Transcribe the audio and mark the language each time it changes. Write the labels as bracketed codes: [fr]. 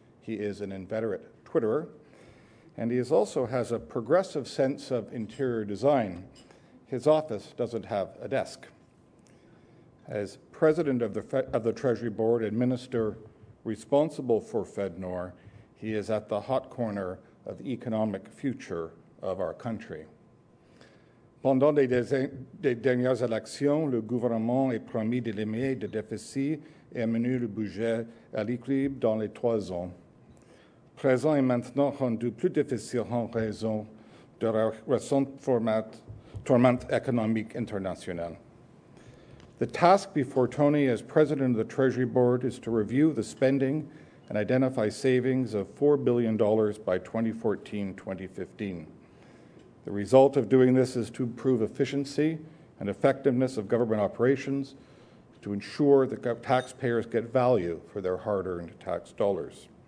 [en] He is an inveterate Twitterer, and he also has a progressive sense of interior design. His office doesn't have a desk. As president of the Treasury Board and minister responsible for FedNor, he is at the hot corner of the economic future of our country. [fr] Pendant les dernières élections, le gouvernement a promis de limiter le déficit et amener le budget à l'équilibre dans les trois ans. Présent et maintenant rendu plus difficile en raison de la récente tourmente économique internationale. [en] The task before Tony as President of the Treasury Board is to review the spending and identify savings of $4 billion by 2014-2015. The result of doing this is to improve efficiency and effectiveness of government operations to ensure that taxpayers get value for their hard-earned tax dollars.